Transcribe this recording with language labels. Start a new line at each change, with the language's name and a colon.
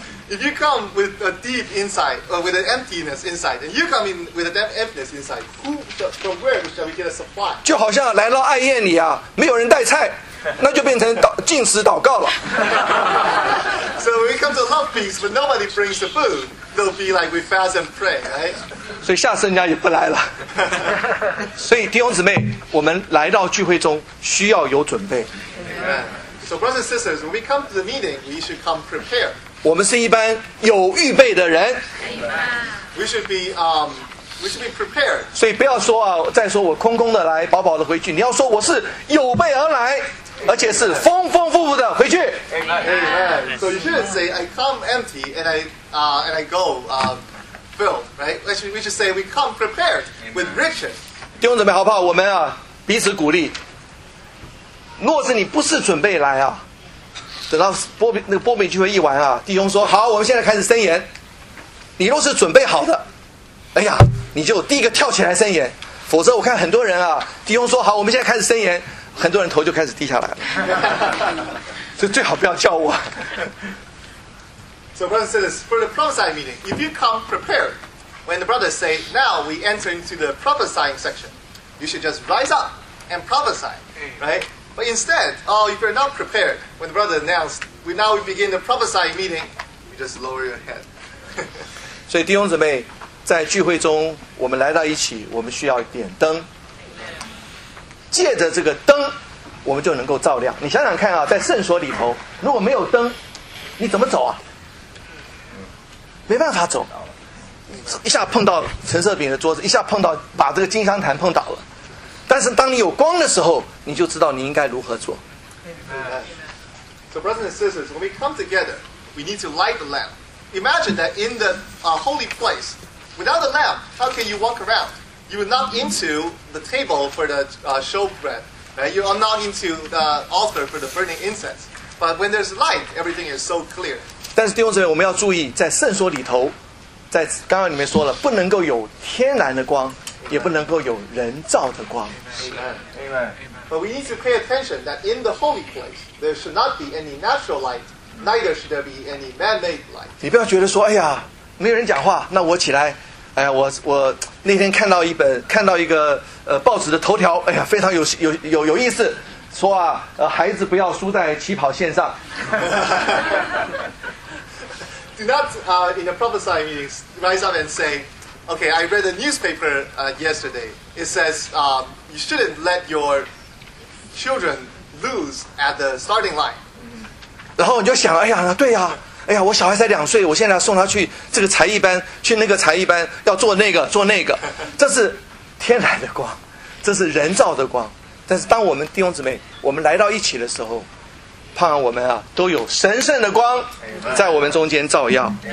English: If you come with a deep inside, with an emptiness inside, and you come in with a deep emptiness inside, from where shall we get a supply?
Chinese: 就好像来到爱宴里啊，没有人带菜，那就变成禁食祷告了。 So when we come to love feast, but nobody brings the food, they'll be like we fast and pray, right? 所以下次人家也不来了。所以弟兄姊妹，我们来到聚会中需要有准备。
English: Amen. So brothers and sisters, when we come to the meeting, we should come prepared.
Chinese: 我们是一般有预备的人。
English: Amen. We should be prepared.
Chinese: 所以不要说啊，再说我空空的来，饱饱的回去。你要说我是有备而来，而且是丰丰富富的回去。
English: Amen. So you shouldn't say I come empty and I go. Right? We should say we come prepared with riches.
Chinese: 弟兄姊妹，好不好？我们啊，彼此鼓励。若是你不是准备来啊，等到波比聚会一完啊，弟兄说好，我们现在开始伸言。你若是准备好的，哎呀，你就第一个跳起来伸言。否则，我看很多人啊，弟兄说好，我们现在开始伸言，很多人头就开始低下来了。所以最好不要叫我。
English: So brothers and sisters, for the prophesying meeting, if you come prepared, when the brothers say, now we enter into the prophesying section, you should just rise up and prophesy, right? But instead, oh, if you're not prepared, when the brother announced, we begin the prophesying meeting, you just lower your head.
Chinese: 所以弟兄姊妹，在聚会中，我们来到一起，我们需要点灯。借着这个灯，我们就能够照亮。你想想看啊，在圣所里头，如果没有灯，你怎么走啊？没办法走，一下碰到陈设饼的桌子，一下碰到把这个金香坛碰倒了。但是当你有光的时候，你就知道你应该如何做。
English: So brothers and sisters, when we come together, we need to light the lamp. Imagine that in the holy place, without the lamp, how can you walk around? You are not into the table for the showbread, right? You are not into the altar for the burning incense. But when there's light, everything is so clear.
Chinese: 但是弟兄姊妹，我们要注意，在圣所里头，在刚刚里面说了，不能够有天然的光，也不能够有人造的光。
English: Amen. Amen. But we need to pay attention that in the holy place there should not be any natural light, neither should there be any man-made light.
Chinese: 你不要觉得说，哎呀，没有人讲话，那我起来，哎呀，我那天看到一个报纸的头条，哎呀，非常有意思，说啊，孩子不要输在起跑线上。
English: Do not in a prophesying meeting rise up and say, okay, I read a newspaper yesterday. It says you shouldn't let your children lose at the starting line.
Chinese: 然后你就想，哎呀，对呀。哎呀，我小孩才两岁，我现在送他去这个才艺班，去那个才艺班，要做那个做那个，这是天来的光，这是人造的光。但是当我们弟兄姊妹我们来到一起的时候，盼望我们啊都有神圣的光在我们中间照耀。